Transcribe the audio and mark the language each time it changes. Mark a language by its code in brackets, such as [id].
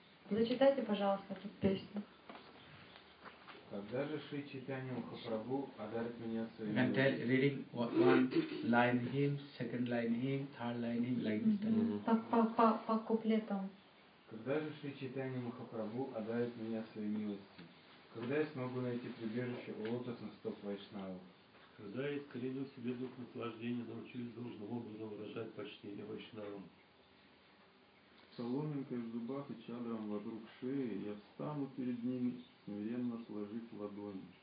[ru] Зачитайте, пожалуйста, эту песню. Когда же Шри Чайтанья Махапрабху одарит меня своим... [en] You can tell, reading one line him, second line him, third line him, like this. [ru] По куплетам. Когда же Шри Чайтанья Махапрабху одарит меня своей милостью? Когда я смогу найти прибежище у лотосных стоп Вайшнавов? Когда я искоренил себе дух наслаждения, научились должным образом выражать почтение Вайшнавам? Соломинкой в зубах и чадром вокруг шеи я встану перед ними, смиренно сложив ладони.